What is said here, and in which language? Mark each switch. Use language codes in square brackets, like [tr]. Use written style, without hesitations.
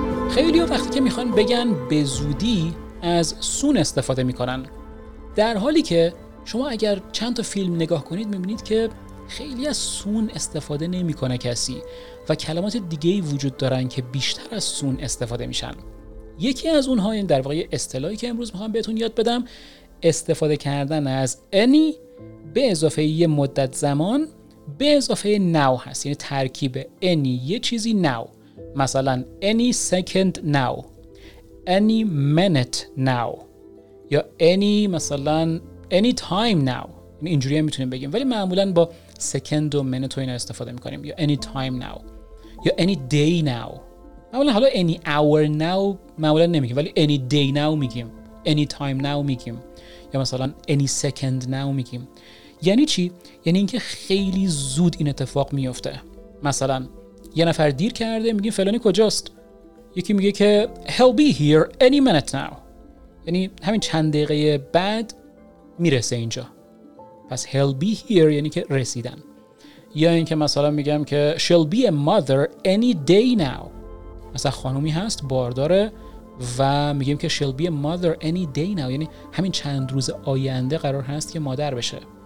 [fa] خیلی وقتی که میخوان بگن به زودی، از سون استفاده میکنن، در حالی که شما اگر چند تا فیلم نگاه کنید میبینید که خیلی از سون استفاده نمیکنه کسی و کلمات دیگه‌ای وجود دارن که بیشتر از سون استفاده میشن. یکی از اونها، این در واقع اصطلاحی که امروز میخوام بهتون یاد بدم، استفاده کردن از any به اضافه یه مدت زمان به اضافه now هست. یعنی ترکیب [en] any [fa] یه چیزی [en] now، [fa] مثلا [en] any second now، any minute now، [fa] یا [en] any مثلا any time now. [fa] اینجوری هم میتونیم بگیم، ولی معمولا با second و minute و اینا استفاده میکنیم، یا [en] any time now، [fa] یا [en] any day now. [fa] معمولا حالا [en] any hour now [fa] معمولا نمیگیم، ولی [en] any day now [fa] میگیم، [en] any time now [fa] میگیم، یا مثلا [en] any second now میگیم. [fa] یعنی چی؟ یعنی اینکه خیلی زود این اتفاق میفته. مثلا یه نفر دیر کرده، میگیم فلانی کجاست؟ یکی میگه که [en] he'll be here any minute now، [fa] یعنی همین چند دقیقه بعد میرسه اینجا. پس [en] he'll be here [fa] یعنی که رسیدن. یا اینکه مثلا میگم که [en] she'll be a mother any day now، [fa] مثلا خانومی هست بارداره و میگیم که she'll be a mother any day now، یعنی همین چند روز آینده قرار هست که مادر بشه.